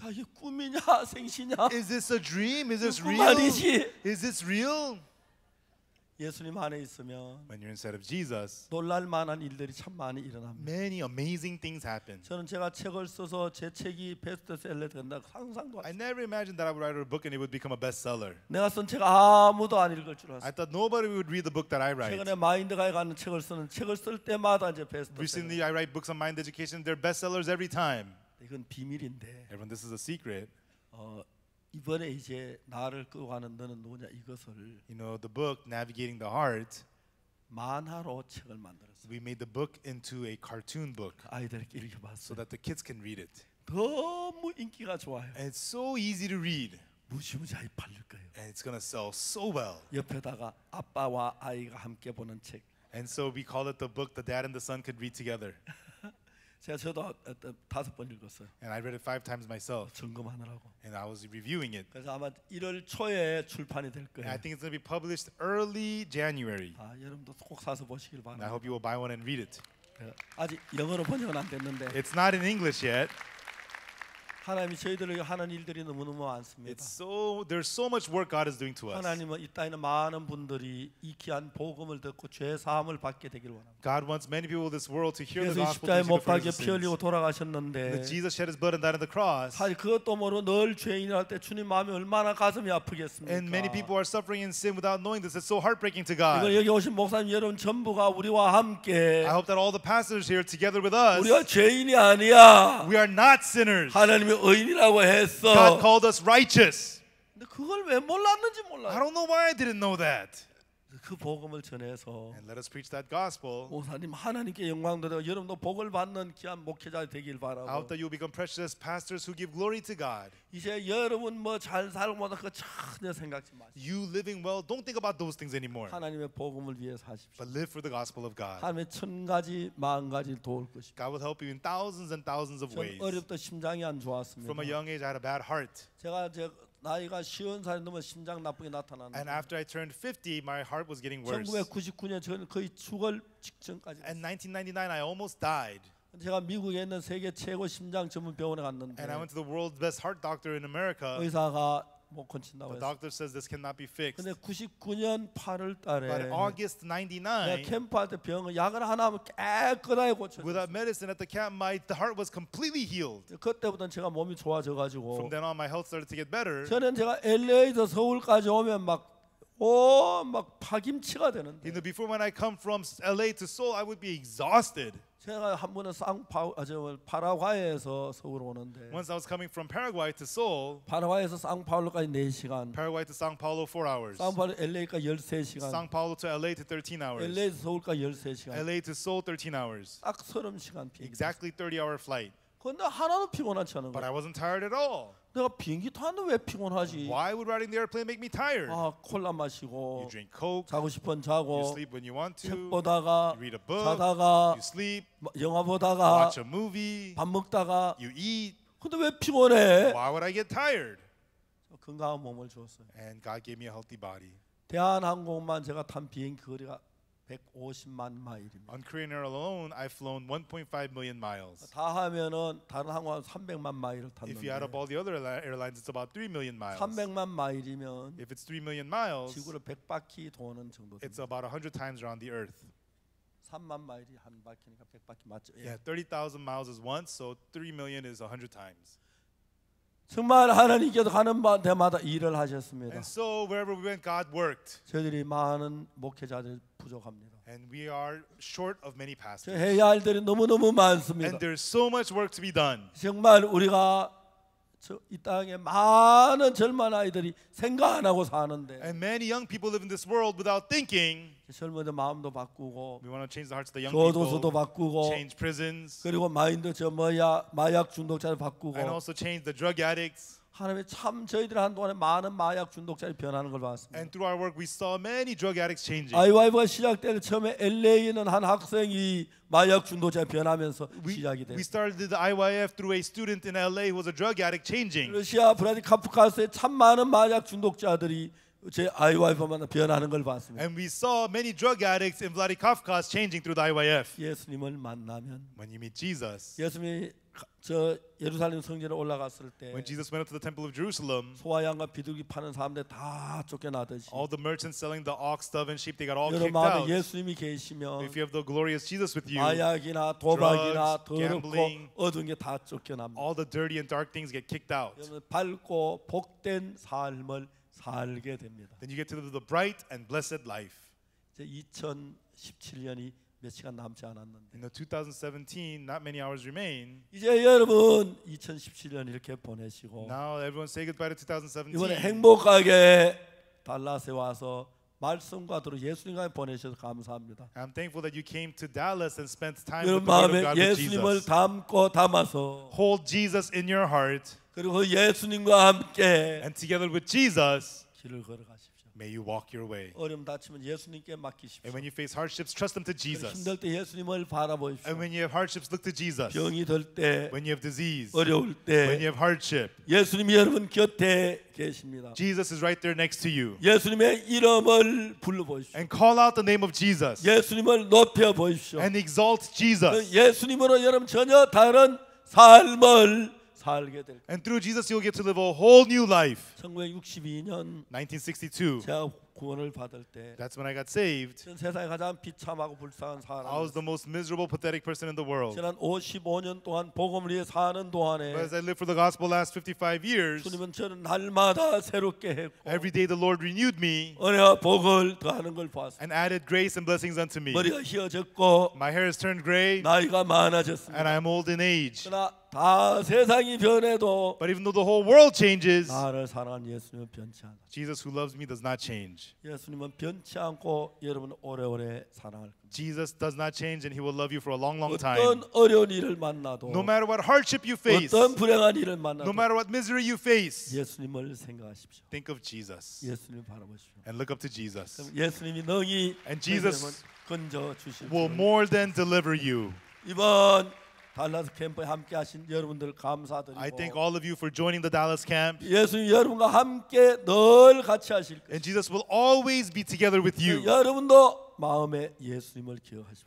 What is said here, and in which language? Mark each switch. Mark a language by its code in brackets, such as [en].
[ko] 야, 이게 꿈이냐, 생신이냐? [en] Is this a dream? Is this real? [ko] 말이지. [en] Is this real? [ko] 예수님 안에 있으면 [en] when you're inside of Jesus [ko] 놀랄 만한 일들이 참 많이 일어납니다. [en] Many amazing things happen. [ko] 저는 제가 책을 써서 제 책이 베스트셀러 된다고 상상도 [en] I never imagined that I would write a book and it would become a bestseller. [ko] 내가 쓴 책 아무도 안 읽을 줄 알았어. [en] I thought nobody would read the book that I write. [ko] 최근에 마인드가에 가는 책을 쓰는 책을 쓸 때마다 이제 베스트 [en] Recently I write books on mind education they're bestsellers every time. [ko] 이건 비밀인데. [en] Everyone, this is a secret. [ko] 이번에 이제 나를 끌어가는 너는 누구냐 이것을 [en] You know, the book, Navigating the Heart [ko] 만화로 책을 만들었어요 [en] We made the book into a cartoon book [ko] 아이들에게 읽어봤어요 [en] So that the kids can read it [ko] 너무 인기가 좋아요 [en] And it's so easy to read [ko] 무지무지하게 팔릴 거예요 [en] And it's gonna sell so well [ko] 옆에다가 아빠와 아이가 함께 보는 책 [en] And so we call it the book the dad and the son could read together [ko] 제가 저도 다섯 번 읽었어요. [en] And I read it five times myself. [ko] 점검하느라고. [en] And I was reviewing it. [ko] 그래서 아마 1월 초에 출판이 될 거예요. [en] And I think it's going to be published early January. [ko] 아, 여러분도 꼭 사서 보시길 바랍니다. [en] And I hope you will buy one and read it. [ko] 아직 영어로 번역은 안 됐는데. [en] It's not in English yet. [ko] 하나님이 저희들에게 하는 일들이 너무너무 많습니다. [en] It's so there's so much work God is doing to us. [ko] 하나님은 이 땅에 많은 분들이 이 귀한 복음을 듣고 죄 사함을 받게 되기를 원합니다. [en] God wants many people in this world to hear the gospel. [ko] 예수 십자가에 못 박혀 피 흘리고 돌아가셨는데. [en] Jesus shed his blood and died on the cross. [ko] 아니 그것도 모르고 늘 죄인이랄 때 주님 마음이 얼마나 가슴이 아프겠습니까? [en] And many people are suffering in sin without knowing this. It's so heartbreaking to God. [ko] 이번 여기 오신 목사님 여러분 전부가 우리와 함께. [en] I hope that all the pastors here together with us. [ko] 우리가 죄인이 아니야. [en] We are not sinners. [ko] 하나님 의인이라고 했어. [en] God called us righteous. [ko] 근데 그걸 왜 몰랐는지 몰라. [en] I don't know why I didn't know that. [ko] 그 복음을 전해서. [en] And let us preach that gospel. [ko] 목사님 하나님께 영광 돌려 여러분도 복을 받는 귀한 목회자 되길 바라고. [en] I hope that you become precious pastors who give glory to God. [ko] 이제 여러분 뭐 잘 살고 뭐다 그 전혀 생각지 마. [en] You living well, don't think about those things anymore. [ko] 하나님의 복음을 위해서 하십시오. [en] But live for the gospel of God. [ko] 하나님의 천 가지, 만 가지 도울 것이. [en] God will help you in thousands and thousands of ways. [ko] 어렸을 때 심장이 안 좋았습니다. [en] From a young age, I had a bad heart. [ko] 나이가 쉬운 살이 너무 심장 나쁘게 나타나는. [en] And after I turned 50, my heart was getting worse. [ko] 1999년 저는 거의 죽을 직전까지. [en] And 1999, I almost died. [ko] 제가 미국에 있는 세계 최고 심장 전문 병원에 갔는데. [en] And I went to the world's best heart doctor in America. [ko] 의사가 못 고친다고 했어. [en] The doctor says this cannot be fixed. [ko] 근데 99년 8월 달에. [en] But in August 99. [ko] 내가 캠프할 때 병원 약을 하나 하면 깨끗하게 고쳐. [en] Without medicine at the camp, my heart was completely healed. [ko] 그때부터 제가 몸이 좋아져가지고. [en] From then on, my health started to get better. [ko] 저는 제가 LA에서 서울까지 오면 막 오, 막 파김치가 되는데. [en] You know, before when I come from LA to Seoul, I would be exhausted. [ko] 제가 한 번은 파라과이에서 서울 오는데. [en] Once I was coming from Paraguay to Seoul. [ko] 파라과이에서 상파울로까지 4시간. [en] Paraguay to São Paulo 4 hours. [ko] 상파울 LA까지 13시간. [en] São Paulo to LA to 13 hours. [ko] LA 서울까지 13시간. [en] LA to Seoul 13 hours. [ko] 딱 30시간 비행. [en] Exactly 30-hour flight. [ko] 근데 하나도 피곤하지 않은 거. [en] But I wasn't tired at all. [ko] 내가 비행기 타는데 왜 피곤하지? [en] Why would riding the airplane make me tired? [ko] 아, 콜라 마시고. [en] You drink coke. [ko] 자고 싶은 자고. [en] You sleep when you want to. [ko] 책 보다가. [en] You read a book. [ko] 자다가. [en] You sleep. [ko] 영화 보다가. [en] Watch a movie. [ko] 밥 먹다가. [en] You eat. [ko] 근데 왜 피곤해? [en] Why would I get tired? [ko] 건강한 몸을 주었어요. [en] And God gave me a healthy body. [ko] 대한항공만 제가 탄 비행기 거리가 150만 마일입니다. [en] On Korean Air alone, I've flown 1.5 million miles. [ko] 다 하면은 다른 항공은 300만 마일을 탔는데. [en] If you add up all the other airlines, it's about 3 million miles. [ko] 300만 마일이면. [en] If it's 3 million miles, [ko] 지구를 100바퀴 도는 정도. [en] It's about 100 times around the Earth. [ko] 3만 마일이 한 바퀴니까 100바퀴 맞죠? [en] Yeah, 30,000 miles is once, so 3 million is 100 times. [ko] 정말 하나님께서 가는 데마다 일을 하셨습니다. [en] And so wherever we went, God worked. [ko] 저들이 많은 목회자들 부족합니다. [en] And we are short of many pastors. [ko] 해야 할 일들이 너무너무 많습니다. [en] And there's so much work to be done. [ko] 정말 우리가 이 땅에 많은 젊은 아이들이 생각 안 하고 사는데. [en] And many young people live in this world without thinking. [ko] 젊은이들 마음도 바꾸고 [en] We want to change the hearts of the young people. [ko] 교도소도 바꾸고 [en] Change prisons. [ko] 그리고 마인드 저 뭐야 마약 중독자를 바꾸고 [en] And also change the drug addicts. [ko] 하나님 참 저희들 한동안에 많은 마약 중독자들이 변하는 걸 봤습니다. [en] And through our work we saw many drug addicts changing. [ko] 아이와이브가 시작될 때 처음에 LA에 있는 한 학생이 마약 중독자 변하면서 시작이 돼. [en] We started the IYF through a student in LA who was a drug addict changing. [ko] 러시아 브라디카프카스에 참 많은 마약 중독자들이 제 IYF만 변하는 걸 봤습니다. [en] And we saw many drug addicts in Vladikavkaz changing through the IYF. [ko] 예수님을 만나면 [en] When you meet Jesus. [ko] 예수님이 저 예루살렘 성전에 올라갔을 때 [en] When Jesus went up to the Temple of Jerusalem. [ko] 소와 양과 비둘기 파는 사람들 다 쫓겨나듯이 [en] All the merchants selling the ox, dove and sheep they got all kicked out. [ko] 여러분 예수님이 계시면 [en] If you have the glorious Jesus with you. [ko] 마약이나 도박이나 더럽고 어두운 게 다 쫓겨납니다. [en] All the dirty and dark things get kicked out. [ko] 여러분 밝고 복된 삶을 살게 됩니다. [en] Then you get to live the bright and blessed life. [ko] 이제 2017년이 몇 시간 남지 않았는데. [en] In the 2017, not many hours remain. [ko] 이제 여러분 2017년 이렇게 보내시고. [en] Now everyone say goodbye to 2017. [ko] 이번에 행복하게 달라스에 와서 말씀과 들어 예수님과 보내셔서 감사합니다. [en] I'm thankful that you came to Dallas and spent time with the Lord God with Jesus. [ko] 여러분 마음에 예수님을 담고 담아서. [en] Hold Jesus in your heart. [ko] 그리고 예수님과 함께 [en] And together with Jesus, [ko] 길을 걸어가십시오. [en] May you walk your way. [ko] 어려움 닥치면 예수님께 맡기십시오. [en] And when you face hardships, trust them to Jesus. [ko] 힘들 때 예수님을 바라보십시오. [en] And when you have hardships, look to Jesus. [ko] 병이 들 때, [en] when you have disease, [ko] 어려울 때, [en] when you have hardship, [ko] 예수님이 여러분 곁에 계십니다. [en] Jesus is right there next to you. [ko] 예수님의 이름을 불러보십시오. [en] And call out the name of Jesus. [ko] 예수님을 높여보십시오. [en] And exalt Jesus. [ko] 예수님으로 여러분 전혀 다른 삶을 [en] And through Jesus, you'll get to live a whole new life. [ko] 1962년 [en] 1962. [ko] 제가 구원을 받을 때. [en] That's when I got saved. [ko] 전 세상에 가장 비참하고 불쌍한 사람. [en] I was the most miserable, pathetic person in the world. [ko] 지난 55년 동안 복음을 위해 사는 동안에. [en] But as I lived for the gospel last 55 years. [ko] 주님은 저는 날마다 새롭게 했고. [en] Every day the Lord renewed me. [ko] 은혜와 복을 더하는 걸 봤어. [en] And added grace and blessings unto me. [ko] 머리가 희어졌고. [en] My hair has turned gray. [ko] 나이가 많아졌습니다. [en] And I'm old in age. [ko] 다 세상이 변해도 [en] But even though the whole world changes [ko] 나를 사랑하는 예수님은 변치 않아. [en] Jesus who loves me does not change. [ko] 예수님은 변치 않고 여러분 오래오래 사랑할 겁니다. [en] Jesus does not change and he will love you for a long long time. [ko] 어떤 어려운 일을 만나도 [en] No matter what hardship you face. [ko] 어떤 불행한 일을 만나도 [en] No matter what misery you face. [ko] 예수님을 생각하십시오. [en] Think of Jesus. [ko] 예수님을 바라보십시오. [en] And look up to Jesus. [ko] 예수님이 능히 [en] And Jesus [ko] 건져 주실 [en] Will more than deliver you. [ko] 이번 달라스 캠프에 함께 하신 여러분들 감사드리고 [en] I thank all of you for joining the Dallas camp. [ko] 예수님 여러분과 함께 늘 같이 하실 것 [en] And Jesus will always be together with you. [ko] 여러분도 마음에 예수님을 기억하십시오.